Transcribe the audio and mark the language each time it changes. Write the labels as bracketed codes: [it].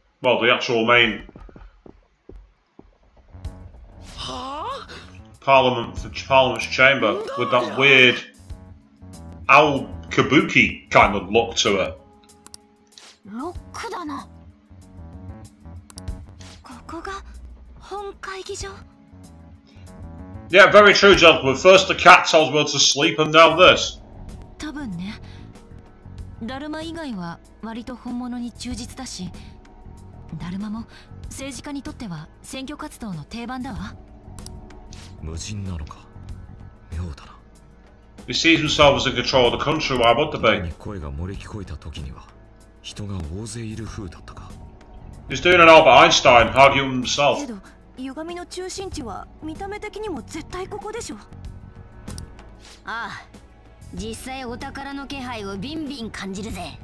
[en] Well, the actual main parliament, the parliament's chamber, with that weird owl kabuki kind of look to it. [ja] Lockだな. ここが本会議所. [en] Yeah, very true, gentlemen. First the cat tells me to sleep, and now this. [ja] 多分ね.Daruma 以外は. 割と本物に忠実だし、 ダルマも政治家にとっては選挙活動の定番だわ。無人なのか?妙だな。 [en] He sees himself as in control of the country, why would they be? [ja] 声が漏れ聞こえた時には 人が大勢いる風だったか。 [en] He's doing an Albert Einstein, arguing himself. [ja] けど、 歪みの中心地は 見た目的にも絶対ここでしょ。ああ、 実際お宝の気配をビンビン感じるぜ。